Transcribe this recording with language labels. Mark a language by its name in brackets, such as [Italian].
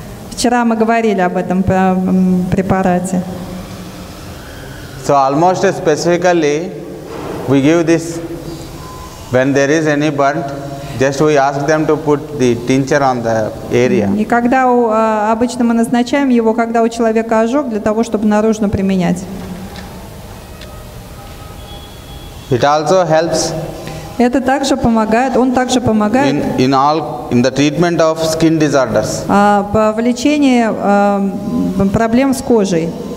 [Russian] Вчера мы говорили об этом препарате. [English] So almost specifically, we give this. When there is any burnt, just we ask them to put the tincture on the area. [Russian] И когда обычно мы назначаем его, когда у человека ожог, для того, чтобы наружно применять. [English] It also helps. [Russian] Это также помогает. Он также помогает. [English] In the treatment of skin disorders. [Russian] В лечении проблем с кожей.